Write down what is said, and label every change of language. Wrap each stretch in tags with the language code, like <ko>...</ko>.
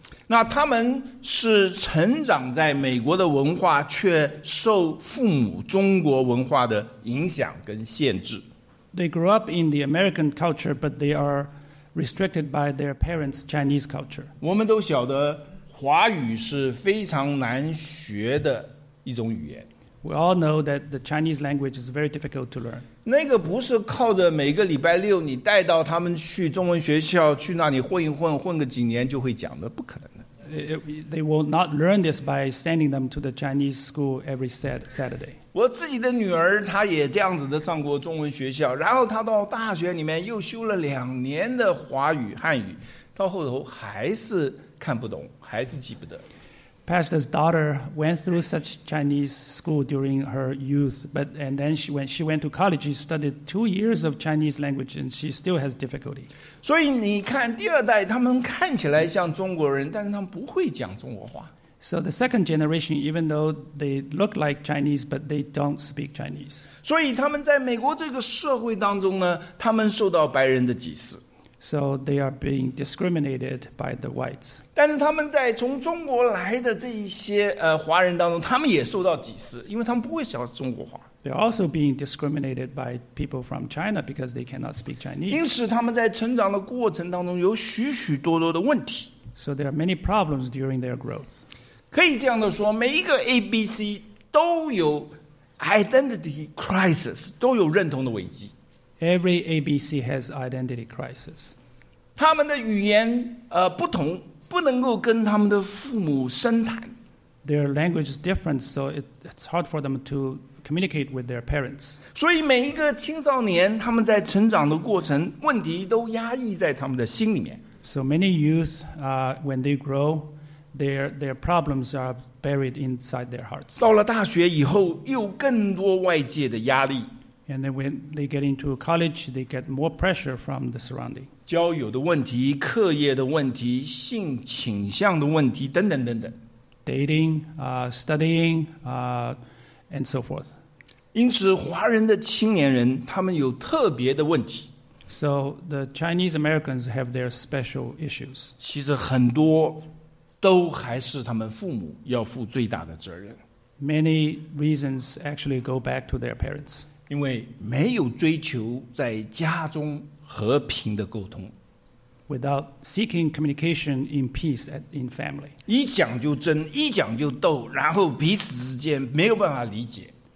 <zh>那他们是成长在美国的文化，却受父母中国文化的影响跟限制。</zh> <en>They grew up in the American culture, but they are restricted by their parents' Chinese culture.</en> <zh>我们都晓得华语是非常难学的一种语言。</zh> <en>We all know that the Chinese language is very difficult to learn.</en> <zh>那个不是靠着每个礼拜六你带到他们去中文学校去那里混一混，混个几年就会讲的，不可能的。</zh> <en>They will not learn this by sending them to the Chinese school every Saturday.</en> <zh>我自己的女儿她也这样子的上过中文学校，然后她到大学里面又修了两年的华语汉语，到后头还是看不懂，还是记不得。</zh> <en>pastor's daughter went through such Chinese school during her youth, but and then she went to college, she studied 2 years of Chinese language, and she still has difficulty.</en> <zh>所以你看，第二代他们看起来像中国人，但是他们不会讲中国话。</zh> <en>So the second generation, even though they look like Chinese, but they don't speak Chinese.</en> <zh>所以他们在美国这个社会当中呢，他们受到白人的歧视。</zh> <en>So they are being discriminated by the whites.</en> <zh>但是他们在从中国来的这一些华人当中，他们也受到歧视，因为他们不会讲中国话。</zh> <en>They're also being discriminated by people from China because they cannot speak Chinese.</en> <zh>因此他们在成长的过程当中有许许多多的问题。</zh> <en>So there are many problems during their growth.</en> <zh>可以这样的说，每一个 ABC 都有</zh> <en>identity crisis，</en> <zh>都有认同的危机。</zh> <en>Every ABC has identity crisis。</en> <zh>他们的语言不同，不能够跟他们的父母深谈。</zh> <en>Their language is different, so it's hard for them to communicate with their parents。</en> <zh>所以每一个青少年他们在成长的过程，问题都压抑在他们的心里面。</zh> <en>So many youth, when they grow. Their problems are buried inside their hearts.</en> <zh>到了大学以后，又更多外界的压力。</zh> <en>And then when they get into college, they get more pressure from the surrounding.</en> <zh>交友的问题、课业的问题、性倾向的问题等等等等。</zh> <en>Dating, studying, and so forth.</en> <zh>因此，华人的青年人他们有特别的问题。</zh> <en>So the Chinese Americans have their special issues.</en> <zh>其实很多。都还是他们父母要负最大的责任。</zh> <en>Many reasons actually go back to their parents.</en> <zh>因为没有追求在家中和平的沟通。</zh> <en>Without seeking communication in peace in family.</en> <zh>一讲就争，一讲就斗，然后彼此之间没有办法理解。</zh>